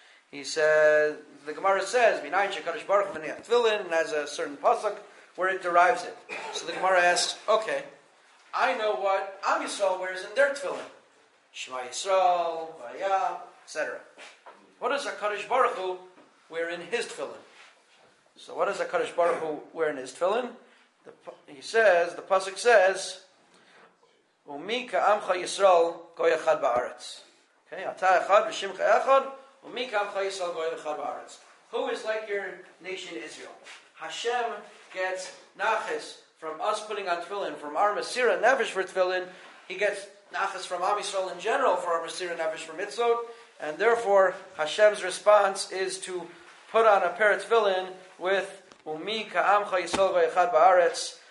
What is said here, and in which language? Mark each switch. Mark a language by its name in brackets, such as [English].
[English] He says, the Gemara says, [Hebrew] Minayin Shekadosh Baruch Hu Meniach Tefillin, [English] and has a certain pasuk where it derives it. So the Gemara asks, okay, I know what Am Yisrael wears in their tefillin. Shema Yisrael, Vaya, etc. What does HaKadosh Baruch Hu wear in his tefillin? So what does HaKadosh Baruch Hu wear in his tefillin? He says, the pasuk says, [Hebrew] ומי כעמך ישראל גוי אחד בארץ. Okay, אתה אחד ושמך אחד, ומי כעמך ישראל גוי אחד בארץ. [English] Who is like your nation Israel? Hashem gets nachas from us putting on tefillin, from our mesira nefesh for tefillin. He gets nachas from Am Yisrael in general for our mesira nefesh for mitzvot. And therefore, Hashem's response is to put on a pair of tefillin with [Hebrew] ומי כעמך ישראל גוי אחד בארץ.